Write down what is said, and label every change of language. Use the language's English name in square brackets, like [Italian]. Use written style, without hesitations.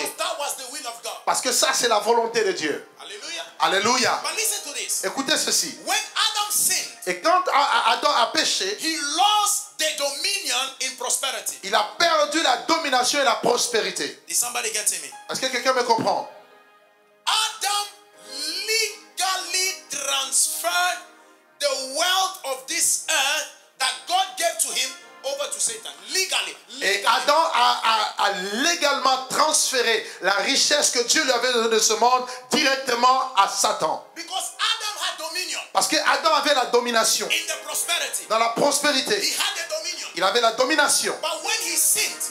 [English] Because that was the will of God. [French] Parce que ça, c'est la volonté de Dieu. Alléluia. Alléluia. [English] But listen to this. [French] Écoutez ceci. [English] When Adam sinned, [French] et quand Adam a péché, [English] he lost the dominion in prosperity. [French] Il a perdu la domination et la prospérité. [English] Did somebody get to me? [French] Est-ce que quelqu'un me comprend? [English] Adam legally transferred the wealth of this earth that God gave to him over to Satan. Legally. [French] Et Adam a légalement transféré la richesse que Dieu lui avait donnée de ce monde directement à Satan. [English] Because Adam had dominion. [French] Parce que Adam avait la domination. [English] In the prosperity. [French] Dans la prospérité. [English] He had the dominion. [French] Il avait la domination. [English] But when he sinned,